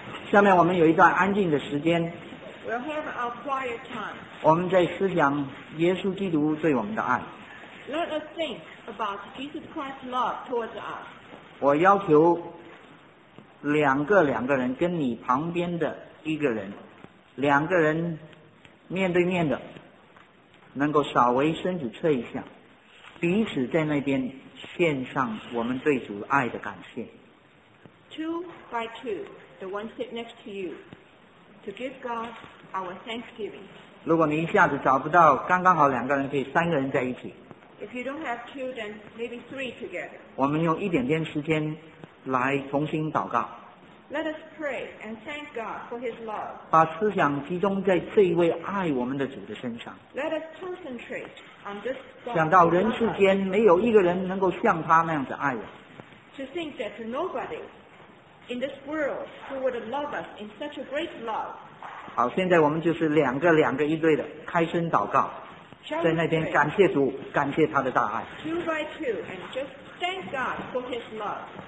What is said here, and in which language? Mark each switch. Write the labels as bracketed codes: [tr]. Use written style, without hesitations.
[zh] 下面我们有一段安静的时间。 [en] We'll have our quiet time. [zh] 我们在思想耶稣基督对我们的爱。 [en] Let us think about Jesus Christ's love towards us. [zh] 我要求两个人跟你旁边的一个人，两个人面对面的，能够稍微伸指侧一下，彼此在那边献上我们对主爱的感谢。 [en] Two by two. The one sit next to you to give God our thanksgiving. [zh] 如果你一下子找不到，刚刚好两个人，可以三个人在一起。 [en] If you don't have two, then maybe three together. [zh] 我们用一点点时间来重新祷告。 [en] Let us pray and thank God for His love. [zh] 把思想集中在这一位爱我们的主的身上。 [en] Let us concentrate on this God. [zh] 想到人世间没有一个人能够像他那样子爱人。 [en] To think that nobody. In this world, who would love us in such a great love? [zh] 好，现在我们就是两个两个一对的开声祷告，在那边感谢主，感谢他的大爱。 [en] Two by two, and just thank God for His love.